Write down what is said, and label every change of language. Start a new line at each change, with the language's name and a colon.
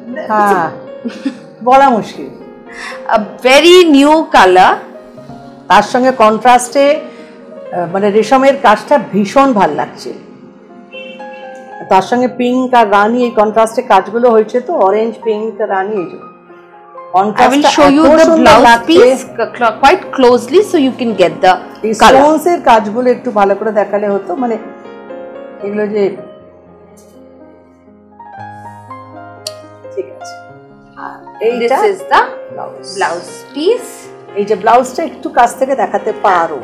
Bangla: হ্যাঁ বলা মুশকিল।
English: a very new colour,
Bangla: তার সঙ্গে কন্ট্রাস্টে মানে রেশমের কাজটা ভীষণ ভাল লাগছে, তার সঙ্গে পিঙ্ক আর রানী এই কন্ট্রাস্টে কাজগুলো হয়েছে, তো অরেঞ্জ পিঙ্ক রানী এই জন্য।
English: I will show you the blouse piece quite closely so you can get the color.
Bangla: Stones এর কাজগুলো একটু ভালো করে দেখালে হতো, মানে এগুলো যে ঠিক আছে, এইটা
English: is the blouse piece.
Bangla: এই যে ব্লাউজটা একটু কাছ থেকে দেখাতে পারো,